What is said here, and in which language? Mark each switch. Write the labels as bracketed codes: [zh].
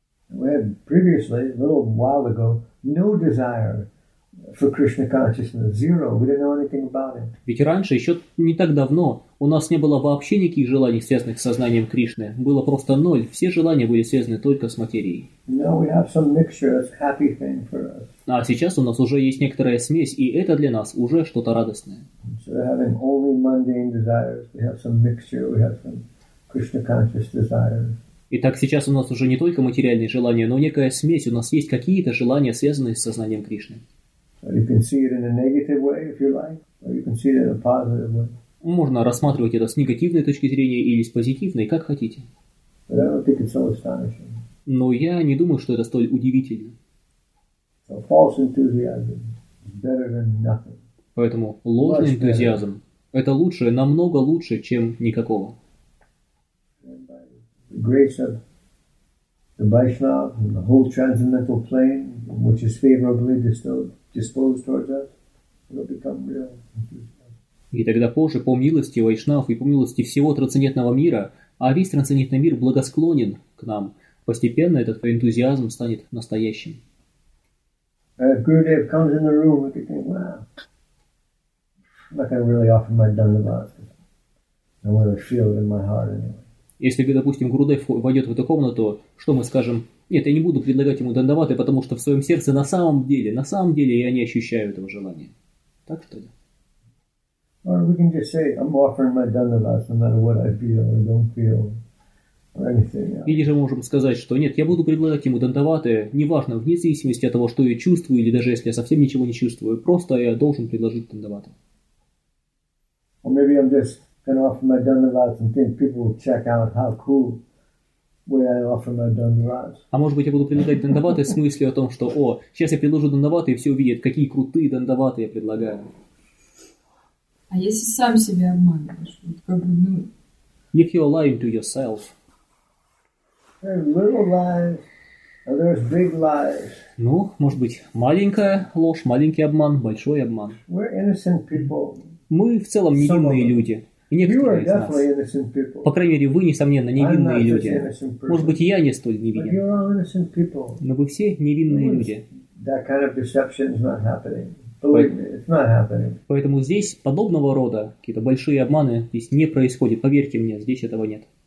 [en] We had previously, a little while ago, no desire for Krishna consciousness, zero. We didn't know anything about it. [ru] Ведь раньше, еще не так давно, у нас не было вообще никаких желаний, связанных с сознанием Кришны. Было просто ноль. Все желания были связаны только с материей. [en] Now we have some mixture. That's a happy thing for us. [ru] А сейчас у нас уже есть некоторая смесь, и это для нас уже что-то радостное. [en] So having only mundane desires, we have some mixture. We have some Krishna conscious desires. [ru] Итак, сейчас у нас уже не только материальные желания, но некая смесь. У нас есть какие-то желания, связанные с сознанием Кришны. [en] You can see it in a negative way, if you like, or you can see it in a positive way. [ru] Можно рассматривать это с негативной точки зрения или с позитивной, как хотите. [en] But I don't think it's so astonishing. [ru] Но я не думаю, что это столь удивительно. [en] So false enthusiasm is better than nothing. [ru] Поэтому ложный энтузиазм – это лучше, намного лучше, чем никакого. [en] And by the grace of the Vaishnav and the whole transcendental plane, which is favorably disposed towards us, will become real. [ru] И тогда позже, по милости Вайшнав и по милости всего трансцендентного мира, а весь трансцендентный мир благосклонен к нам, постепенно этот энтузиазм станет настоящим. [en] Gurudev comes in the room and thinks, wow, like I really offer my dandavas. I want to feel it in my heart anyway. [ru] Если, допустим, Гурудев войдет в эту комнату, что мы скажем? Нет, я не буду предлагать ему дандаваты, потому что в своем сердце на самом деле я не ощущаю этого желания. Так что ли? [en] Or we can just say, I'm offering my dandavas, no matter what I feel or don't feel. [ru] Или же можем сказать, что нет, я буду предлагать ему дандаваты, неважно, вне зависимости от того, что я чувствую, или даже если я совсем ничего не чувствую, просто я должен предложить дандаваты. [en] Or maybe I'm just gonna offer my dandavats and think people will check out how cool way I offer my dandavats. [ru] А может быть, я буду предлагать дандаваты с мыслью о том, что о, сейчас я предложу дандаваты, и все увидят, какие крутые дандаваты я предлагаю. А если сам себя обманываешь, вот как бы, ну. [en] If you're lying to yourself. There's little lies, and there's big lies. [ru] Ну, может быть, маленькая ложь, маленький обман, большой обман. [en] We're innocent people. [ru] Мы в целом невинные люди. И некоторые из нас. По крайней мере, вы, несомненно, невинные люди. Может быть, и я не столь невинен. [en] You're all innocent people. [ru] Но вы все невинные люди. [en] That kind of deception is not happening. Believe me, it's not happening. [ru] Поэтому здесь подобного рода какие-то большие обманы здесь не происходят. Поверьте мне, здесь этого нет.